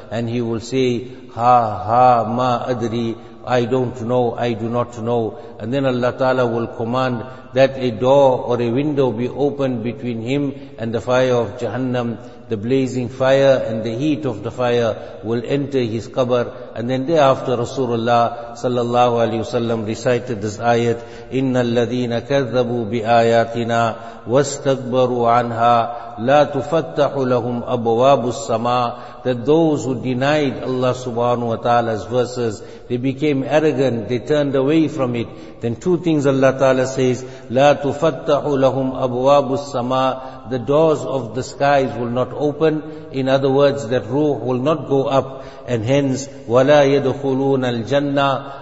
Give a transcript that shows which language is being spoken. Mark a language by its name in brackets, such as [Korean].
[English] And he will say, [Arabic] ha ha ma adri, [English] I don't know, I do not know. And then Allah Ta'ala will command that a door or a window be opened between him and the fire of Jahannam. The blazing fire and the heat of the fire will enter his qabr. And then thereafter Rasulullah sallallahu alayhi wasallam recited this ayat, [Arabic] إِنَّ الَّذِينَ كَذَّبُوا بِآيَاتِنَا وَاسْتَكْبَرُوا عَنْهَا لَا تُفَتَّحُ لَهُمْ أَبْوَابُ السَّمَاءِ. [English] That those who denied Allah subhanahu wa ta'ala's verses, they became arrogant, they turned away from it. Then two things Allah Ta'ala says, [Arabic] لَا تُفَتَّحُ لَهُمْ أَبْوَابُ السَّمَاءِ. [English] The doors of the skies will not open. In other words, that ruh will not go up. And hence, [Arabic] وَلَا يَدْخُلُونَ الْجَنَّةِ.